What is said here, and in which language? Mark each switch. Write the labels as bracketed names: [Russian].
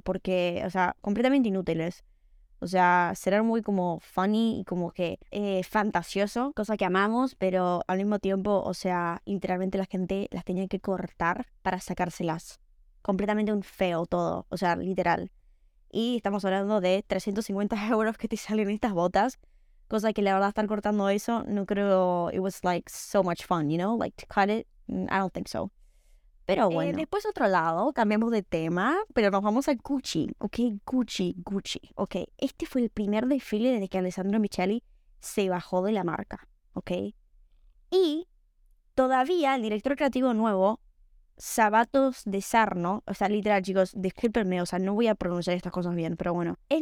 [Spanish] Porque, o sea, completamente inútiles. O sea, será muy como funny y como que fantasioso, cosa que amamos, pero al mismo tiempo, o sea, literalmente la gente las tenía que cortar para sacárselas. Completamente un feo todo, o sea, literal. Y estamos hablando de 350 euros que te salen estas botas, cosa que la verdad están cortando eso. No creo, [English] it was like so much fun, you know, like to cut it, I don't think so. [Spanish] Pero bueno. Después otro lado, cambiamos de tema, pero nos vamos a Gucci, ¿ok? Gucci. Ok, este fue el primer desfile desde que Alessandro Michele se bajó de la marca, ¿ok? Y todavía el director creativo nuevo, Sabato De Sarno, o sea, literal, chicos, discúlpenme, o sea, no voy a pronunciar estas cosas bien, pero bueno.